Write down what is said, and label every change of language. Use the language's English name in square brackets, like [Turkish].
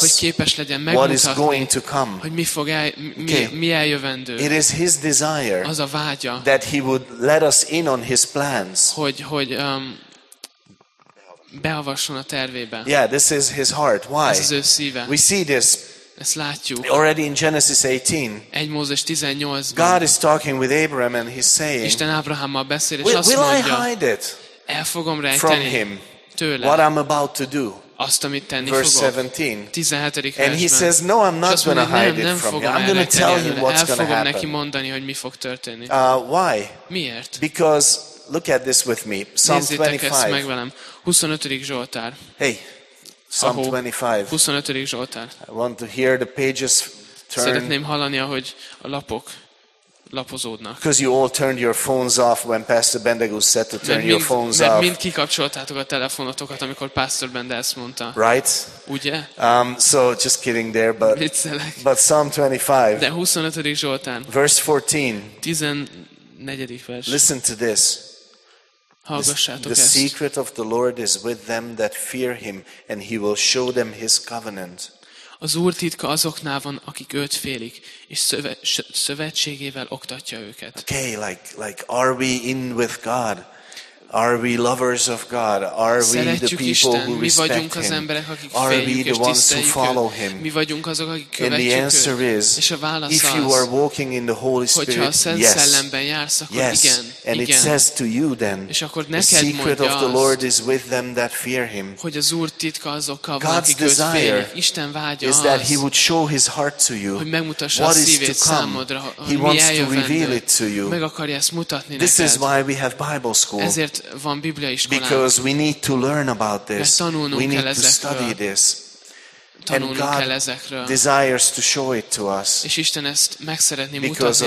[Hungarian] hogy képes legyen megmutatni, [English] what is going to come. [Hungarian] Hogy mi fog mi eljövendő. [English] It is his desire, [Hungarian] az a vágya, [English] that he would let us in on his plans. [Hungarian] Hogy beavasson a tervébe. [English] Yeah, this is his heart. Why? [Hungarian] Ez az ő szíve. [English] We see this. [Hungarian] Ezt látjuk. [English] Already in Genesis 18. [Hungarian] 1 Mózes 18-ban. [English] God is talking with Abraham and he's saying. [Hungarian] Isten Ábrahámmal beszél, és [English] will, [Hungarian] azt mondja. [English] Will I hide it? [Hungarian] El fogom rejteni [English] from him [Hungarian] tőle. [English] What I'm about to do. [Hungarian] Azt, amit tenni [English] verse [Hungarian] fogok. [English] 17. [Hungarian] 17. [English] And he says, no, I'm not going to hide it from him. I'm going to tell him what's going to happen. [Hungarian] El fogom neki mondani, hogy mi fog történni. [English] Why? [Hungarian] Miért? [English] Because look at this with me. Psalm [Hungarian] 25. Meg velem. 25. Zsoltár. [English] Hey, Psalm 25. [Hungarian] 25. Zsoltár. [English] I want to hear the pages turn. [Hungarian] Szeretném hallani, ahogy a lapok lapozódnak. [English] Because you all turned your phones off when Pastor Bendegúz said to turn your phones off. [Hungarian] Mert mind kikapcsoltátok a telefonotokat, amikor Pastor Bendegúz mondta. [English] Right? [Hungarian] Ugye? [English] So just kidding there, but [Hungarian] viccelek. [English] But Psalm 25. [Hungarian] De 25. Zsoltán. [English] Verse 14. [Hungarian] 14. vers. [English] Listen to this. [Hungarian] Hallgassátok [English] the secret of the Lord is with them that fear him, and he will show them his covenant. [Hungarian] Az Úr titka azoknál van, akik őt félik, és szövetségével oktatja őket. [English] Okay, like are we in with God? Are we lovers of God? Are we [Hungarian] szeretjük [English] the people [Hungarian] Isten, [English] who respect [Hungarian] him? Az emberek, akik [English] are [Hungarian] féljük, [English] we the ones who follow him? [Hungarian] Mi vagyunk azok, akik követjük őt? [English] And the answer is, if you are walking in the Holy Spirit, yes. [Hungarian] Jársz, akkor [English] yes. [Hungarian] Igen, [English] and [Hungarian] igen. [English] It says to you then, [Hungarian] és akkor [English] the secret of the Lord is with them that fear him. [Hungarian] Hogy az Úr titka azokkal, [English] God's desire is that he would show his heart to you. [Hungarian] Hogy megmutassa [English] what [Hungarian] a szívét [English] is to come. [Hungarian] Számodra, [English] he wants to reveal it to you. [Hungarian] Meg akarja ezt mutatni neked. [English] This is why we have Bible school. [Hungarian] Van Biblia iskolán. [English] Because we need to learn about this. [Hungarian] Mert tanulnunk [English] we need [Hungarian] kell [English] to study this. And God desires to show it to us. [Hungarian] És Isten ezt meg szeretné mutatni